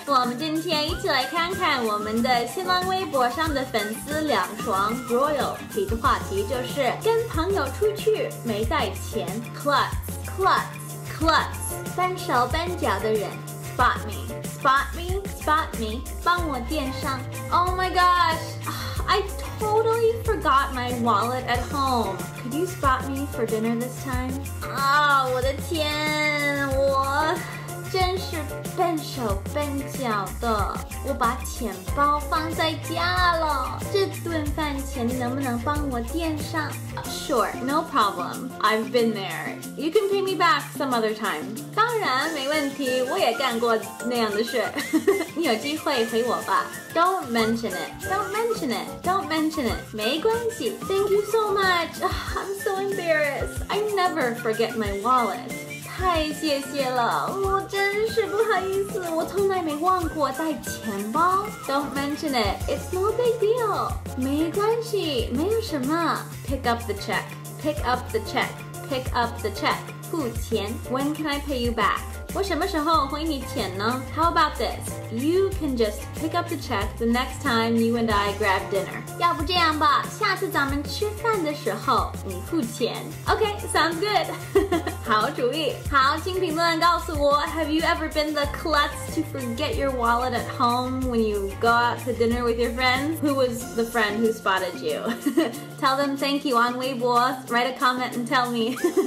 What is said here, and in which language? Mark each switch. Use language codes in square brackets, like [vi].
[zh] 我们今天一起来看看我们的新浪微博上的粉丝两爽 Royal 提的话题，就是跟朋友出去没带钱。 Klutz 搬手搬脚的人。 [en] Spot me [zh] 帮我垫上。 [en] Oh my gosh, I totally forgot my wallet at home. Could you spot me for dinner this time? [zh] 我的天，我真是笨手笨脚的，我把钱包放在家了，这顿饭钱能不能帮我垫上？ [en] Sure, no problem, I've been there. You can pay me back some other time. [zh] 当然没问题，我也干过那样的事。你有机会回我吧。 [en] Don't mention it. [zh] 没关系。 [en] Thank you so much. I'm so embarrassed. I never forget my wallet. [zh] 太谢谢了，我真是不好意思，我从来没忘过带钱包。 [en] Don't mention it, it's no big deal. [zh] 没关系，没有什么。 [en] Pick up the check. [zh] 付钱。 [en] When can I pay you back? [zh] 我什么时候回你钱呢？ [en] How about this? You can just pick up the check the next time you and I grab dinner. [zh] 要不这样吧，下次咱们吃饭的时候你付钱。 [en] Okay, sounds good. [zh] 好主意。好，请评论告诉我， [en] Have you ever been the klutz to forget your wallet at home when you go out to dinner with your friends? Who was the friend who spotted you? Tell them thank you on Weibo. Write a comment and tell me.